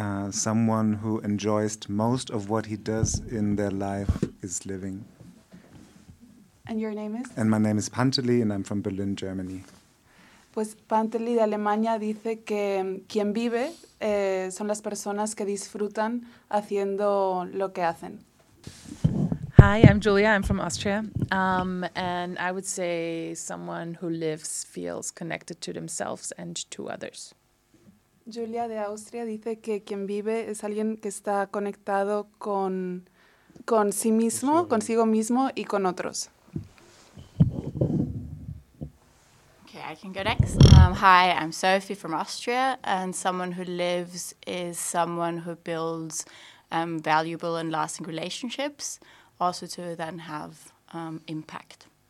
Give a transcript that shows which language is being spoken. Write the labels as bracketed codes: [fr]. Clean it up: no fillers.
[en] someone who enjoys most of what he does in their life is living. And your name is? And my name is Panteli, and I'm from Berlin, Germany. [es] Pues Panteli de Alemania dice que quien vive son las personas que disfrutan haciendo lo que hacen. [en] Hi, I'm Julia. I'm from Austria. And I would say someone who lives feels connected to themselves and to others. [es] Julia de Austria dice que quien vive es alguien que está conectado con sí mismo, consigo mismo y con otros. [en] Okay, I can go next. Hi, I'm Sophie from Austria, and someone who lives is someone who builds valuable and lasting relationships, also to then have impact.